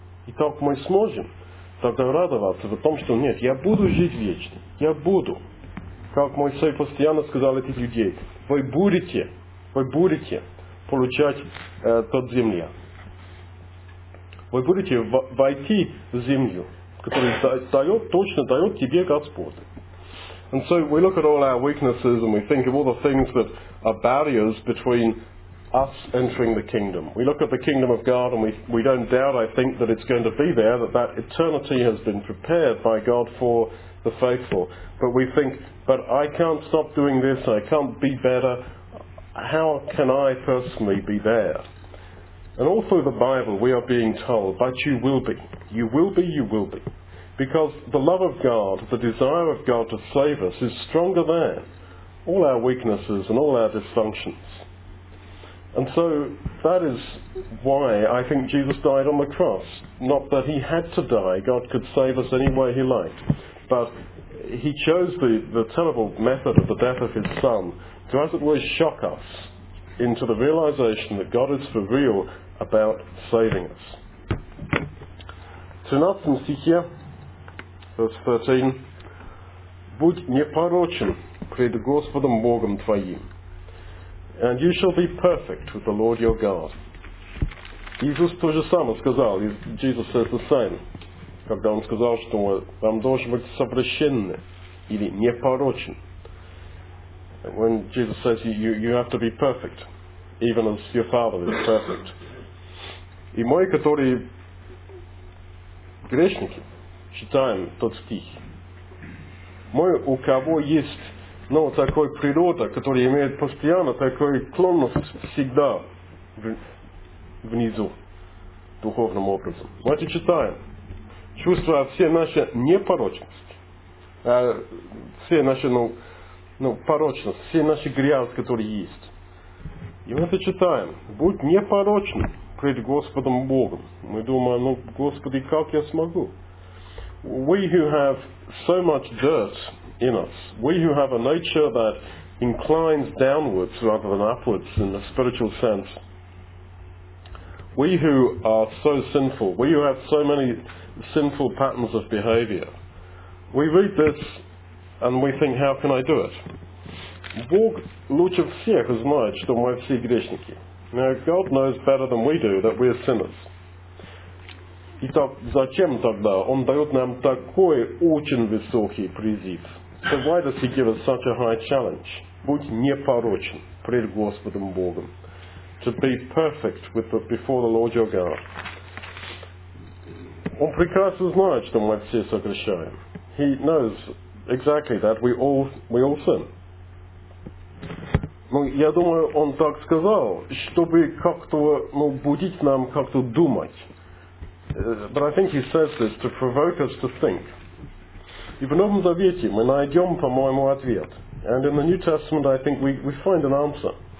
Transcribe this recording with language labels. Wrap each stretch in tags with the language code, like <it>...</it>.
<ru>И так мы сможем тогда радоваться в том, что нет, я буду жить вечно. Я буду. Как Моисей постоянно сказал этих людей, вы будете получать тот земля. Вы будете войти в землю, которую точно дает тебе Господь.</ru> <en>And so we look at all our weaknesses and we think of all the things that are barriers between us entering the kingdom. We look at the kingdom of God and we don't doubt, I think, that it's going to be there, that eternity has been prepared by God for the faithful. But we think, but I can't stop doing this, I can't be better. How can I personally be there? And all through the Bible we are being told, but you will be. You will be, you will be. Because the love of God, the desire of God to save us is stronger than all our weaknesses and all our dysfunctions. And so that is why I think Jesus died on the cross. Not that he had to die, God could save us any way he liked. But he chose the terrible method of the death of his son to, as it were, shock us into the realization that God is for real about saving us.</en> <ru>13 стихе,</ru> <en>verse 13,</en> <ru>будь непорочен пред Господом Богом твоим.</ru> <en>And you shall be perfect with the Lord your God.</en> <ru>Иисус то же самое сказал,</ru> <en>Jesus says the same,</en> <ru>когда он сказал, что вам должен быть совершенны или непорочен.</ru> <en>When Jesus says you have to be perfect, even as your Father is perfect.</en> <ru>И мы, которые грешники, читаем тот стих. Мы, у кого есть, ну, такой природа, которая имеет постоянно такую склонность всегда внизу, духовным образом. Давайте читаем. Чувствуя все наши непорочности, все наши, порочность, все наши грязь, которые есть. И мы это читаем. Будь непорочным пред Господом Богом. Мы думаем, Господи, как я смогу?</ru> <en>We who have so much dirt in us, we who have a nature that inclines downwards rather than upwards in a spiritual sense, we who are so sinful, we who have so many sinful patterns of behavior, we read this and we think, how can I do it?</en> <ru>Бог лучше всех знает, что мы все грешники.</ru> <en>Now, God knows better than we do that we are sinners.</en> <ru>И так, зачем тогда Он дает нам такой очень высокий призыв?</ru> <en>So why does He give us such a high challenge?</en> <ru>Будь непорочен пред Господом Богом.</ru> <en>To be perfect before the Lord your God.</en> <ru>Он прекрасно знает, что мы все согрешаем.</ru> <en>He knows exactly that we all sin.</en> <ru>Я думаю, Он так сказал, чтобы как-то будить нам как-то думать.</ru> <en>But I think he says this to provoke us to think.</en> <ru>И в Новом Завете мы найдем, по-моему, ответ.</ru> <en>And in the New Testament, I think we find an answer.</en>